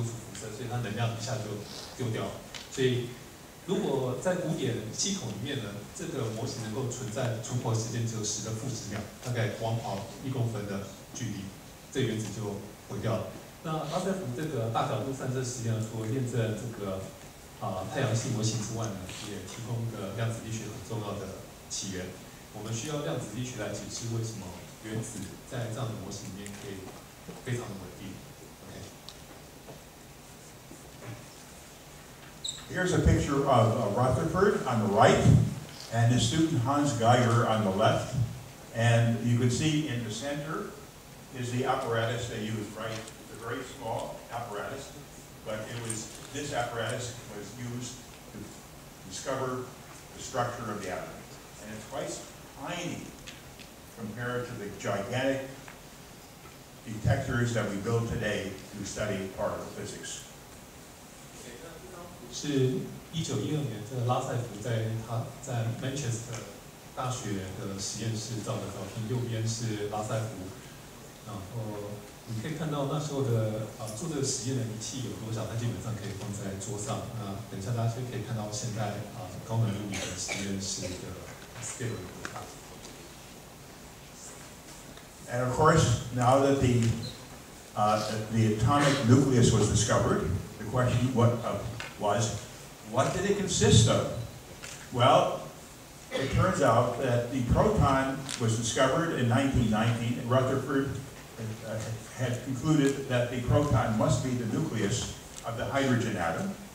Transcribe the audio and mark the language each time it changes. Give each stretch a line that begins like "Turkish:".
Chinese: 基本上是支持下面一个所谓太阳系模型，这是由一个日本人那个兰高考他提出来的。那不过当初在古典物理里面呢，这种模型是不被大家接受的，因为如果大家记清华大学有修过电磁学的话，你就知道这个东西呢会很快的放出同步辐射，反正带电粒子如果被加速的话就会丢出辐射，所以它能量一下就丢掉，所以。如果在古典系统里面呢，这个模型能够存在存活时间只有10的负10秒，大概光跑1公分的距离，这原子就毁掉了。那拉塞普这个大角度散射实验除了验证这个太阳系模型之外呢，也提供一个量子力学很重要的起源。我们需要量子力学来解释为什么原子在这样的模型里面可以非常的稳定。
English: Here's a picture of Rutherford on the right and his student Hans Geiger on the left. And you can see in the center is the apparatus they used, right? It's a very small apparatus, but it was this apparatus was used to discover the structure of the atom. And it's quite tiny compared to the gigantic detectors that we build today to study particle physics.
Chinese: 是1912年，这个拉塞福在 Manchester 大学的实验室照的照片，右边是拉塞福，然后你可以看到那时候的做这个实验的仪器有多少，它基本上可以放在桌上。那等一下大家可以看到现在高能物理的实验室的 scale 有多大。
English: And of course, now that the atomic nucleus was discovered, the question was what did it consist of? Well, it turns out that the proton was discovered in 1919, and Rutherford had concluded that the proton must be the nucleus of the hydrogen atom.